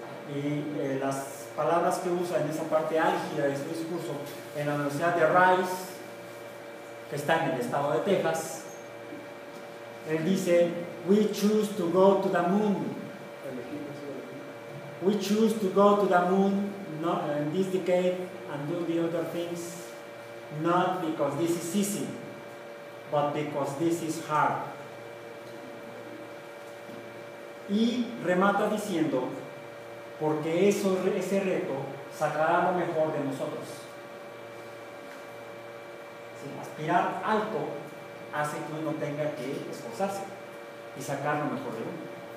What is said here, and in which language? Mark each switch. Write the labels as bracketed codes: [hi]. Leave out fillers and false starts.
[es] Y las palabras que usa en esa parte álgida de su discurso, en la Universidad de Rice, que está en el estado de Texas, él dice: [en] "We choose to go to the moon. We choose to go to the moon in this decade and do the other things. Not because this is easy, but because this is hard." [es] Y remata diciendo, porque ese reto sacará lo mejor de nosotros. Sí, aspirar alto hace que uno tenga que esforzarse y sacar lo mejor de uno.